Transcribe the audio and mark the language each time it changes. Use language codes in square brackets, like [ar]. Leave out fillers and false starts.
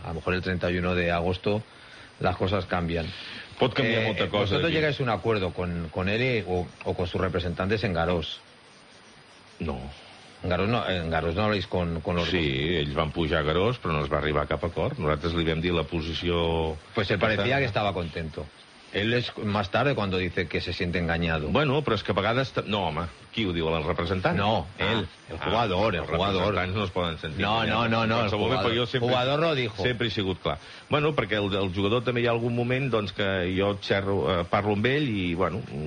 [es] A lo mejor el 31 de agosto las cosas cambian. [ca] Pot canviar molta cosa. [es] Vosotros llegáis a un acuerdo con él o con sus representantes en Garós. No, en Garós no hablis con los... [ca] Sí, ells van pujar a Garós, però no es va arribar a cap acord. Nosaltres li vam dir la posició... [es] Pues se parecía que estaba contento. Él es más tarde cuando dice que se siente engañado. [ca] Bueno, però és que a vegades... No, home, qui ho diu, el representant? [es] No, él, el jugador. [ca] Els representants no es poden sentir engañats. [es] No, el jugador no ho dijo. [ca] Sempre he sigut clar. Bueno, perquè el jugador també hi ha algun moment doncs que jo parlo amb ell i, bueno...